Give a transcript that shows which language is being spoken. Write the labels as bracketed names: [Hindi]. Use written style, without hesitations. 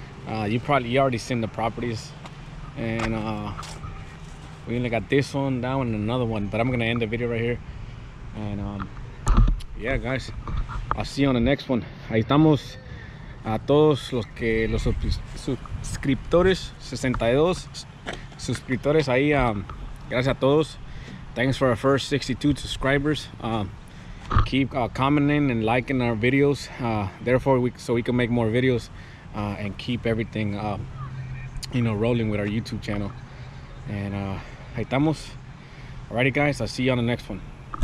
[English] You already seen the properties, and we only got this one, that one, and another one. But I'm gonna end the video right here, and yeah, guys. I'll see you on the next one. [Spanish] Ahí estamos a todos los que los suscriptores 62 suscriptores ahí. Gracias a todos. [English] Thanks for our first 62 subscribers. Keep commenting and liking our videos, therefore we can make more videos and keep everything rolling with our YouTube channel, and [Spanish] ahí estamos. [English] Alrighty, guys, I'll see you on the next one.